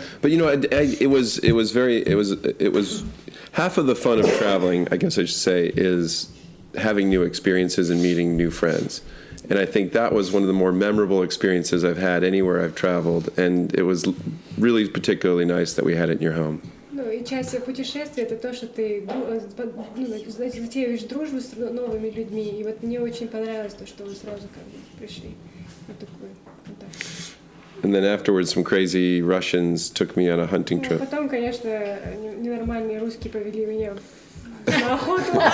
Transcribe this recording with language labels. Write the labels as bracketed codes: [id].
[en] But you know, it was half of the fun of traveling, I guess I should say, is having new experiences and meeting new friends. And I think that was one of the more memorable experiences I've had anywhere I've traveled. And it was really particularly nice that we had it in your home. [ru] И часть путешествия это то, что ты затеваешь дружбу с новыми людьми. И вот мне очень понравилось то, что вы сразу как бы пришли на такой контакт. [en] And then afterwards some crazy Russians took me on a hunting trip. [ru] Потом, конечно, ненормальные русские повели меня в охоту.